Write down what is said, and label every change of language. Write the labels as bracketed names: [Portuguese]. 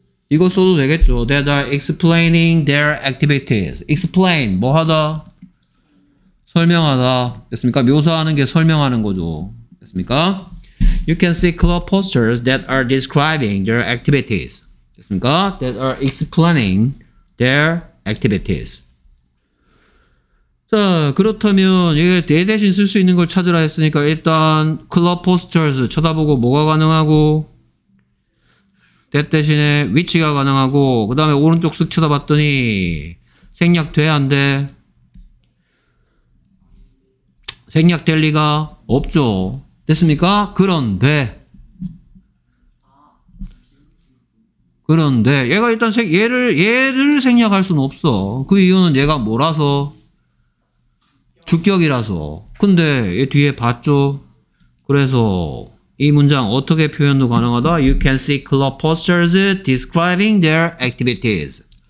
[Korean] 이거 써도 되겠죠. [English] That are explaining their activities. [Korean] Explain 뭐하다? 설명하다. 됐습니까? 묘사하는 게 설명하는 거죠. 됐습니까? [English] You can see club posters that are describing their activities. [Korean] 됐습니까? [English] That are explaining their activities. [Korean] 자, 그렇다면 이게 대 대신 쓸 수 있는 걸 찾으라 했으니까 일단 club posters 쳐다보고 뭐가 가능하고 that 대신에 위치가 가능하고 그 다음에 오른쪽 쓱 쳐다봤더니 생략돼 안 돼? 생략될 리가 없죠. 됐습니까? 그런데 그런데 얘가 일단 얘를 생략할 수는 없어. 그 이유는 얘가 뭐라서? 주격이라서. 근데 얘 뒤에 봤죠? 그래서 이 문장 어떻게 표현도 가능하다? [English] You can see club posters describing their activities.